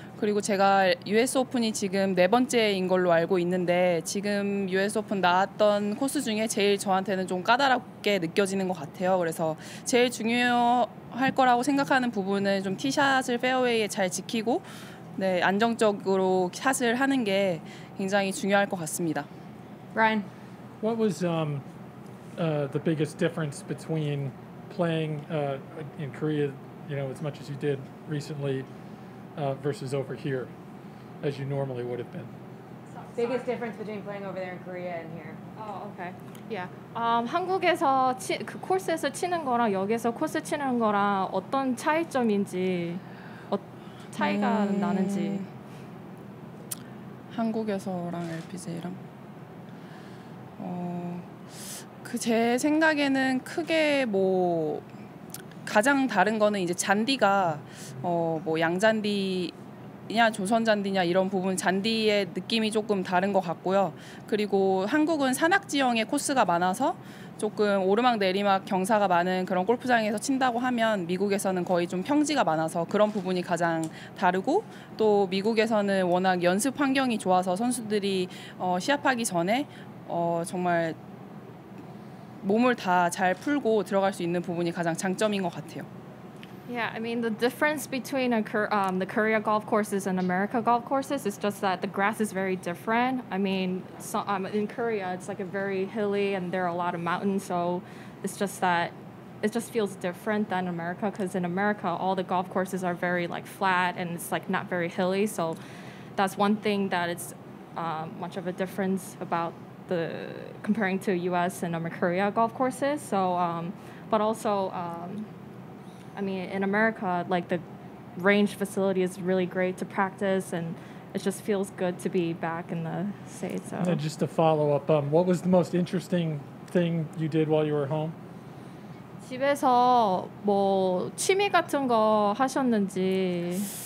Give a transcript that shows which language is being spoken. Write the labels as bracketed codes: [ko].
[ko] 그리고 제가 US 오픈이 지금 네 번째인 걸로 알고 있는데 지금 US 오픈 나왔던 코스 중에 제일 저한테는 좀 까다롭게 느껴지는 것 같아요. 그래서 제일 중요할 거라고 생각하는 부분은 좀 티샷을 페어웨이에 잘 지키고 네, 안정적으로 샷을 하는 게 굉장히 중요할 것 같습니다. [en] Ryan. What was the biggest difference between playing in Korea, you know, as much as you did recently versus over here as you normally would have been? Biggest difference between playing over there in Korea and here. Oh, okay. Yeah. [ko] 한국에서 그 코스에서 치는 거랑 여기서 코스 치는 거랑 어떤 차이점인지 차이가 나는지 한국에서랑 LPGA랑 그 제 생각에는 크게 뭐 가장 다른 거는 이제 잔디가 뭐 양잔디냐 조선잔디냐 이런 부분 잔디의 느낌이 조금 다른 것 같고요. 그리고 한국은 산악지형의 코스가 많아서 조금 오르막내리막 경사가 많은 그런 골프장에서 친다고 하면 미국에서는 거의 좀 평지가 많아서 그런 부분이 가장 다르고 또 미국에서는 워낙 연습 환경이 좋아서 선수들이 시합하기 전에 정말 몸을 다 잘 풀고 들어갈 수 있는 부분이 가장 장점인 것 같아요. [en] Yeah, I mean, the difference between the Korea golf courses and America golf courses is just that the grass is very different. I mean, in Korea, it's like a very hilly and there are a lot of mountains, so it's just that it just feels different than America, because in America, all the golf courses are very, like, flat, and it's, like, not very hilly, so that's one thing that it's much of a difference about the comparing to U.S. and Korea golf courses. So, but also, I mean, in America, like, the range facility is really great to practice, and it just feels good to be back in the States. So. And just to follow up, what was the most interesting thing you did while you were home? [ko] 집에서 뭐 취미 같은 거 하셨는지